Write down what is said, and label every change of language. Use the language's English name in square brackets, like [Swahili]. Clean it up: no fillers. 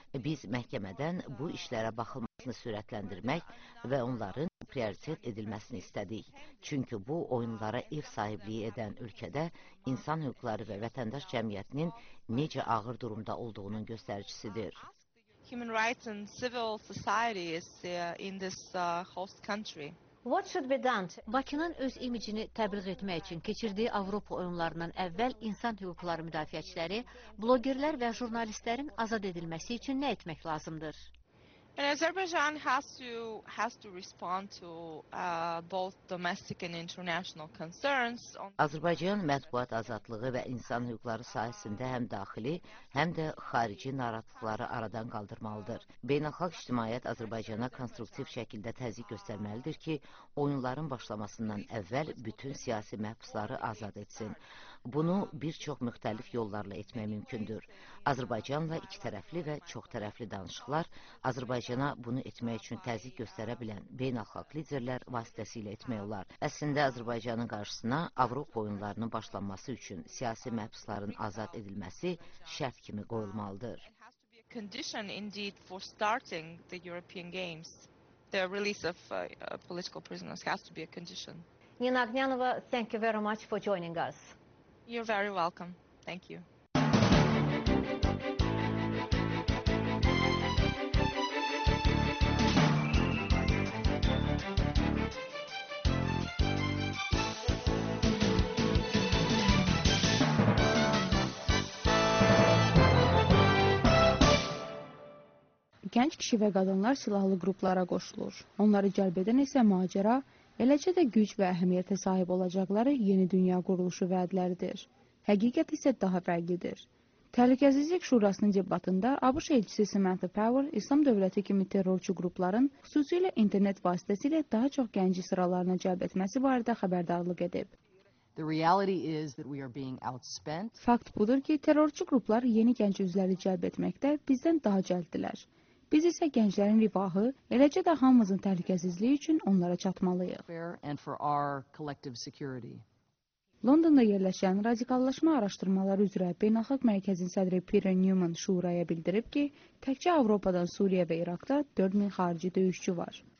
[Azerbaijani] Biz məhkəmədən bu işlərə baxılmasını sürətləndirmək və onların prioritet edilməsini istədik. Çünki bu, oyunlara ev sahibliyi edən ölkədə insan hüquqları və vətəndaş cəmiyyətinin necə ağır durumda olduğunun göstəricisidir. [English] Human rights and civil society is in this host country. What should be done? [Azerbaijani] Bakının öz imicini təbliğ etmək üçün keçirdiyi Avropa oyunlarından əvvəl insan hüquqları müdafiəçiləri, bloqerlər və jurnalistlərin azad edilməsi üçün nə etmək lazımdır? [English] And Azerbaijan has to respond to both domestic and international concerns. [Azerbaijani] Azərbaycan mətbuat azadlığı və insan hüquqları sahəsində həm daxili, həm də xarici narahatlıqları aradan qaldırmalıdır. Beynəlxalq ictimaiyyət Azərbaycana konstruktiv şəkildə təzyiq göstərməlidir ki, oyunların başlamasından əvvəl bütün siyasi məhbusları azad etsin. Bunu bir çox müxtəlif yollarla etmək mümkündür. Azərbaycanla iki tərəfli və çox tərəfli danışıqlar Azərbaycana bunu etmək üçün təzyiq göstərə bilən beynəlxalq liderlər vasitəsilə etmək olar. Əslində, Azərbaycanın qarşısına Avropa oyunlarının başlanması üçün siyasi məhbusların azad edilməsi şərt kimi qoyulmalıdır. [English] Condition indeed for starting the European Games. The release of political prisoners has to be a condition. Nina Agnyanova, thank you very much for joining us. You're very welcome. Thank you. [Azerbaijani] Gənc kişi və qadınlar silahlı qruplara qoşulur. Onları cəlb edən isə macera, eləcə də güc və əhəmiyyətə sahib olacaqları yeni dünya quruluşu vədləridir. Həqiqət isə daha fərqlidir. Təhlükəsizlik Şurasının debatında ABŞ elçisi Samantha Power, İslam dövləti kimi terrorçu qrupların xüsusilə internet vasitəsilə daha çox gənci sıralarına cəlb etməsi barədə xəbərdarlıq edib. [English] The reality is that we are being outspent. [Azerbaijani] Fakt budur ki, terrorçu qruplar yeni gənc üzvləri cəlb etməkdə bizdən daha cəlddirlər. Biz isə gənclərin rifahı, eləcə də hamımızın təhlükəsizliyi üçün onlara çatmalıyıq. Londonda yerləşən radikallaşma araşdırmaları üzrə Beynəlxalq Mərkəzin sədri Peter Newman şuraya bildirib ki, təkcə Avropadan Suriyə və İraqda 4000 xarici döyüşçü var.